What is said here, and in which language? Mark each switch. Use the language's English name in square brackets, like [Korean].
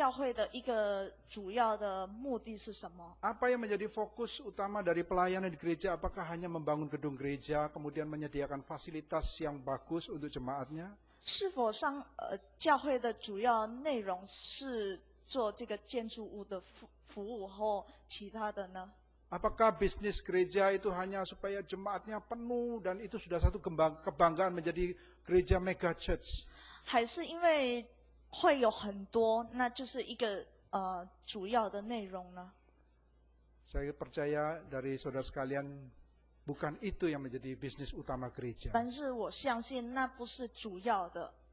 [Chinese] 但是我们看真正的教会的一个主要的目的是什么？ [Indonesian] Apa yang menjadi fokus utama dari pelayanan di gereja? Apakah hanya membangun gedung gereja, kemudian menyediakan fasilitas yang bagus untuk jemaatnya? [Chinese] 是否上教会的主要内容是做这个建筑物的服务或其他的呢？ [Indonesian] Apakah bisnis gereja itu hanya supaya jemaatnya penuh dan itu sudah satu kebanggaan menjadi gereja mega church? [Chinese] 还是因为会有很多，那就是一个主要的内容呢？ [Indonesian] Saya percaya dari saudara sekalian bukan itu yang menjadi bisnis utama gereja. [Chinese] 但是我相信那不是主要的。